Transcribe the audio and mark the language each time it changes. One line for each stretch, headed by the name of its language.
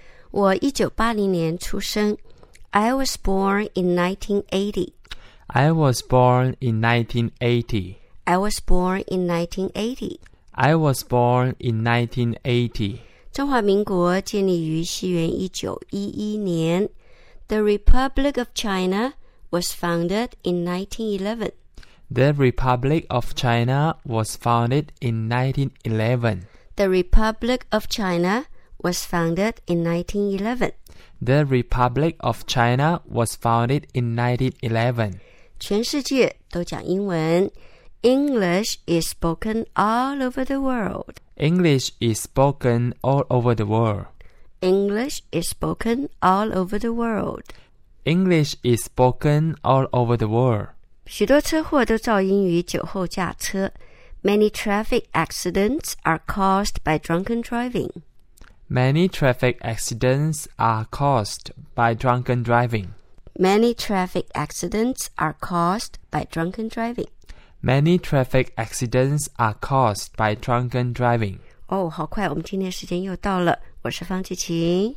Chinese: 我1980年出生。
English: I was born in 1980. I was born in 1980. I was born in 1980. I was born in 1980.
Chinese: 中华民国建立于西元1911年。
English: The Republic of China was founded in 1911. The Republic of China was founded in 1911. The Republic of China was founded in 1911. The Republic of China was founded in 1911.
Chinese: 全世界都讲英文。
English: English is spoken all over the world. English is spoken all over the world. English is spoken all over the world. English is spoken all over the world.
Chinese: 许多车祸都噪音于酒后驾车。
English: Many traffic accidents are caused by drunken driving. Many traffic accidents are caused by drunken driving. Many traffic accidents are caused by drunken driving. Many traffic accidents are caused by drunken driving.
Chinese: 哦，好快，我们今天时间又到了。我是方季晴，